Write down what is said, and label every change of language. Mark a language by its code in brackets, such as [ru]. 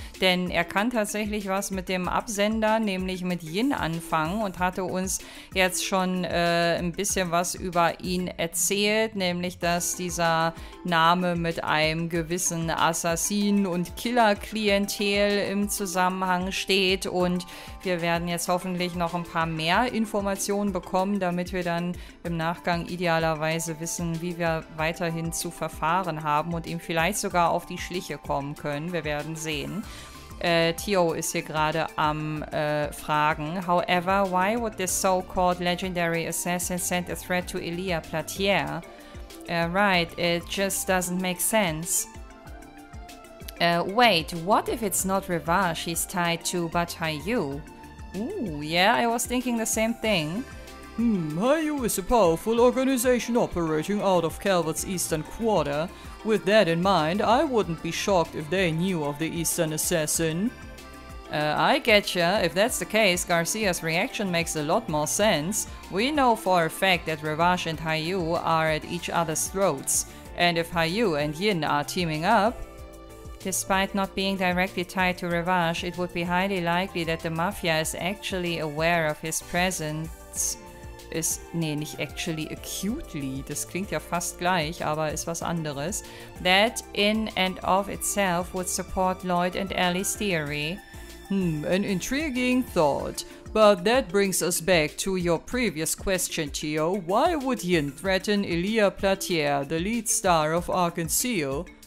[de] Denn er kann tatsächlich was mit dem Absender, nämlich mit Yin, anfangen und hatte uns jetzt schon ein bisschen was über ihn erzählt, nämlich dass dieser Name mit einem gewissen Assassinen- und Killer-Klientel im Zusammenhang steht, und wir werden jetzt hoffentlich noch ein paar mehr Informationen bekommen, damit wir dann im Nachgang idealerweise wissen, wie wir weiterhin zu verfahren haben und ihm vielleicht sogar auf die Schliche kommen können. Wir werden sehen. Tio ist hier gerade am Fragen. [en] However, why would this so-called legendary assassin send a threat to Ilia Plater? Right, it just doesn't make sense. Wait, what if it's not Rivar she's tied to, but Hayu? Ooh, yeah, I was thinking the same thing. Hayu is a powerful organization operating out of Calvert's Eastern Quarter. With that in mind, I wouldn't be shocked if they knew of the Eastern Assassin. I getcha. If that's the case, Garcia's reaction makes a lot more sense. We know for a fact that Rivash and Hayu are at each other's throats. And if Hayu and Yin are teaming up... Despite not being directly tied to Rivash, it would be highly likely that the Mafia is actually aware of his presence. [de] Nicht [en] actually, acutely. [de] Das klingt ja fast gleich, aber ist was anderes. [en] That in and of itself would support Lloyd and Ellie's theory. An intriguing thought. But that brings us back to your previous question, Tio. Why would Yin threaten Ilia Plater, the lead star of Ark and Seal?